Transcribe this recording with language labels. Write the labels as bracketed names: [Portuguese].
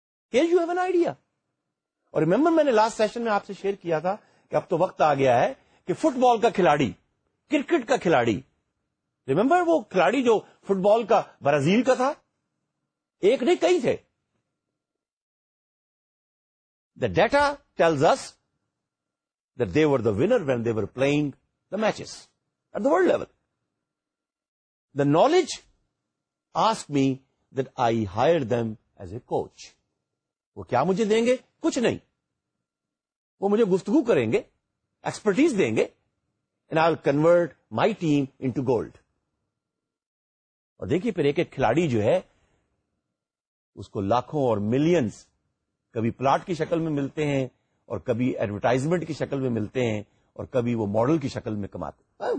[English] Can you have an idea? [Urdu] اور remember میں نے لاسٹ سیشن میں آپ سے شیئر کیا تھا کہ اب تو وقت آ گیا ہے کہ فٹ بال کا کھلاڑی, کرکٹ کا کھلاڑی, ریمبر وہ کھلاڑی جو فٹ بال کا برازیل کا تھا, ایک نہیں کئی تھے. [English] The data tells us that they were the winner when they were playing the matches at the world level. The knowledge ask me that I hire them as a coach. [Urdu] وہ کیا مجھے دیں گے؟ کچھ نہیں. وہ مجھے گفتگو کریں گے, ایکسپرٹیز دیں گے, [English] And I will convert my team into gold. [Urdu] اور دیکھیے پھر ایک ایک کھلاڑی جو ہے اس کو لاکھوں اور ملینز کبھی پلاٹ کی شکل میں ملتے ہیں, اور کبھی ایڈورٹائزمنٹ کی شکل میں ملتے ہیں, اور کبھی وہ ماڈل کی شکل میں کماتے ہیں.